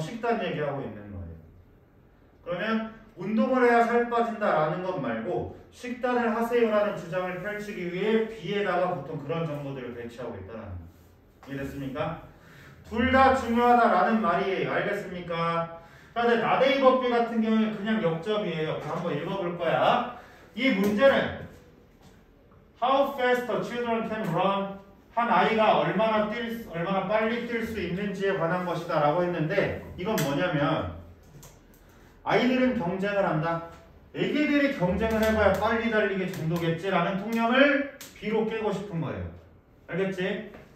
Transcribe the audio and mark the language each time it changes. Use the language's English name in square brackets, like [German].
[Korean] 식단 얘기하고 있는 거예요. 그러면 운동을 해야 살 빠진다 라는 것 말고 식단을 하세요 라는 주장을 펼치기 위해 B에다가 보통 그런 정보들을 배치하고 있다는 거예요. 이해됐습니까? 둘 다 중요하다 라는 말이에요. 알겠습니까? 그런데 나데이 법비 같은 경우는 그냥 역점이에요. 한번 읽어볼 거야. 이 문제는 [English] How fast a children can run? [Korean] 한 아이가 얼마나 빨리 뛸 수 있는지에 관한 것이다 라고 했는데 이건 뭐냐면 아이들은 경쟁을 한다. 애기들이 경쟁을 해봐야 빨리 달리게 정도겠지 라는 통념을 B로 깨고 싶은 거예요. 알겠지?